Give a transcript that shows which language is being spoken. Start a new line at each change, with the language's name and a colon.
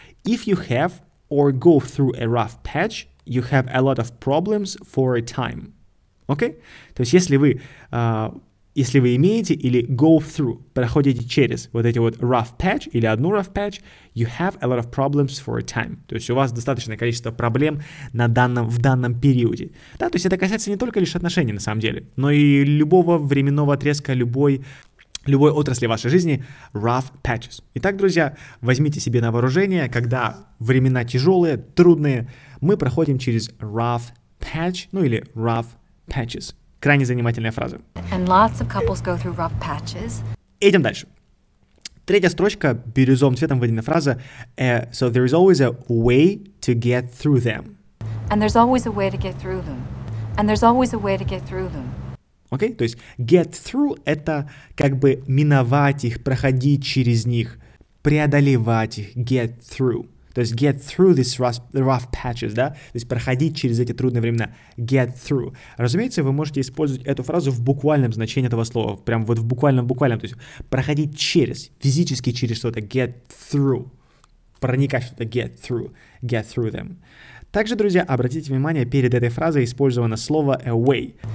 English: If you have or go through a rough patch, you have a lot of problems for a time.
Russian: Окей? То есть если вы имеете или
English: go through,
Russian: проходите через вот эти вот rough patch или одну rough patch,
English: you have a lot of problems for a time.
Russian: То есть у вас достаточное количество проблем в данном периоде. Да, то есть это касается не только лишь отношений на самом деле, но и любого временного отрезка, любой отрасли вашей жизни, rough patches. Итак, друзья, возьмите себе на вооружение, когда времена тяжелые, трудные, мы проходим через rough patch, ну или rough patches. Крайне занимательная фраза.
English: And lots of couples go through rough patches.
Russian: Идем дальше. Третья строчка, бирюзовым цветом выделена фраза.
English: So there is always a way to get through them. And there's always a way to get through them. And there's always a way to get through them.
Russian: Окей? То есть get through — это как бы миновать их, проходить через них, преодолевать их, get through. То есть get through these rough patches, да? То есть проходить через эти трудные времена.
English: Get through.
Russian: Разумеется, вы можете использовать эту фразу в буквальном значении этого слова. Прям вот в буквальном-буквальном. То есть проходить через, физически через что-то.
English: Get through.
Russian: Проникать что-то.
English: Get through. Get through them.
Russian: Также, друзья, обратите внимание, перед этой фразой использовано слово a way.